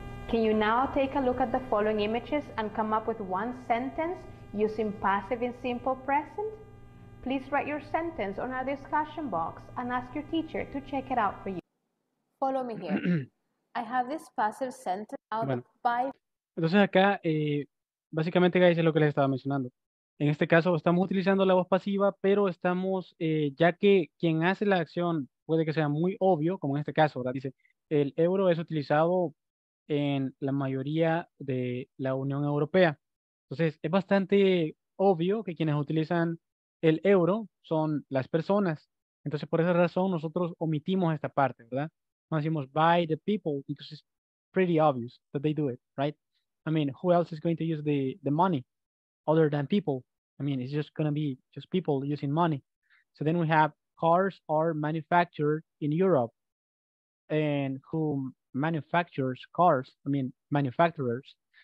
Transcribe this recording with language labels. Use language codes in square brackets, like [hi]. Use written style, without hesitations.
[en] Can you now take a look at the following images and come up with one sentence using passive in simple present? Please write your sentence on our discussion box and ask your teacher to check it out for you. Follow me here. I have this passive sentence out by... [es] Entonces acá, básicamente, guys, es lo que les estaba mencionando. En este caso, estamos utilizando la voz pasiva, pero estamos, ya que quien hace la acción puede que sea muy obvio, como en este caso, ¿verdad? Dice, el euro es utilizado en la mayoría de la Unión Europea. Entonces, es bastante obvio que quienes utilizan el euro son las personas. Entonces, por esa razón, nosotros omitimos esta parte, ¿verdad? No decimos [en] by the people, because it's pretty obvious that they do it, right? I mean, who else is going to use the money? Other than people. I mean, it's just going to be just people using money. So then we have cars are manufactured in Europe. And who manufactures cars? I mean, manufacturers.